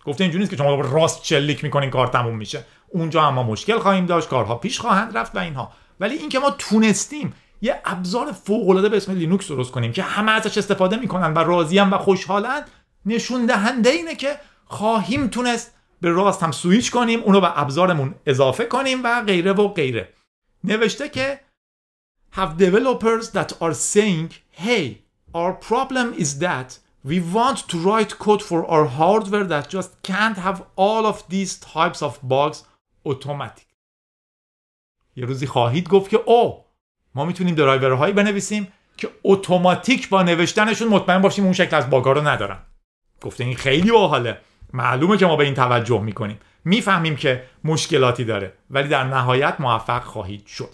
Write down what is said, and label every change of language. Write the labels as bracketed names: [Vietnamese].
[Persian] گفته اینجوری نیست که شما با راست شلیک میکنین کار تموم میشه، اونجا اما مشکل خواهیم داشت، کارها پیش خواهند رفت و اینها. ولی این که ما تونستیم یه ابزار فوق‌العاده به اسم لینوکس درست کنیم که همه ازش استفاده میکنن و راضی ان و خوشحالن، نشون دهنده اینه که خواهیم تونست به راست هم سوئیچ کنیم، اونو به ابزارمون اضافه کنیم و غیره و غیره. نوشته که [English] have developers that are saying hey our problem is that we want to write code for our hardware that just can't have all of these types of bugs automatic. [Persian] یه روزی خواهید گفت که ما میتونیم درایورهایی بنویسیم که اتوماتیک با نوشتنشون مطمئن باشیم اون شکل از باگا رو ندارن. گفته این خیلی باحاله، معلومه که ما به این توجه میکنیم، میفهمیم که مشکلاتی داره ولی در نهایت موفق خواهید شد.